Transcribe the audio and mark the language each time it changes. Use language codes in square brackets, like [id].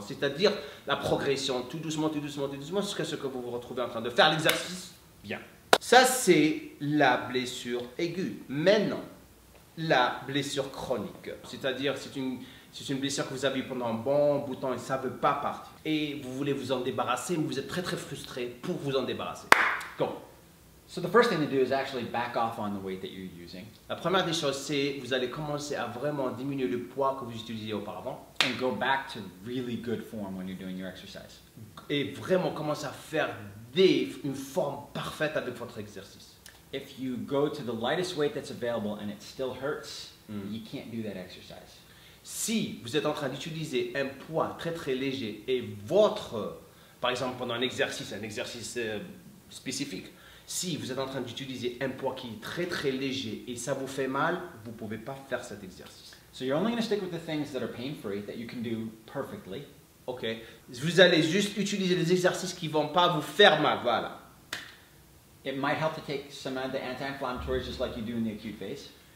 [fr] C'est-à-dire la progression tout doucement jusqu'à ce que vous vous retrouvez en train de faire l'exercice bien. Ça, c'est la blessure aiguë. Maintenant, la blessure chronique. C'est-à-dire, c'est une blessure que vous avez pendant un bon bout de temps et ça ne veut pas partir. Et vous voulez vous en débarrasser, mais vous êtes très très frustré pour vous en débarrasser. [en] Go. So the first thing to do is actually back off on the weight that you're using. [fr] La première des choses, c'est vous allez commencer à vraiment diminuer le poids que vous utilisiez auparavant. [en] And go back to really good form when you're doing your exercise. [fr] Et vraiment commencer à faire une forme parfaite avec votre exercice. [en] If you go to the lightest weight that's available and it still hurts, you can't do that exercise. [fr] Si vous êtes en train d'utiliser un poids très très léger et votre, par exemple pendant un exercice spécifique, si vous êtes en train d'utiliser un poids qui est très très léger et ça vous fait mal, vous ne pouvez pas faire cet exercice. [en] So you're only going to stick with the things that are pain-free, that you can do perfectly. [fr] Ok, vous allez juste utiliser des exercices qui ne vont pas vous faire mal, voilà. [en] It might help to take some of the anti-inflammatories just like you do in the acute phase.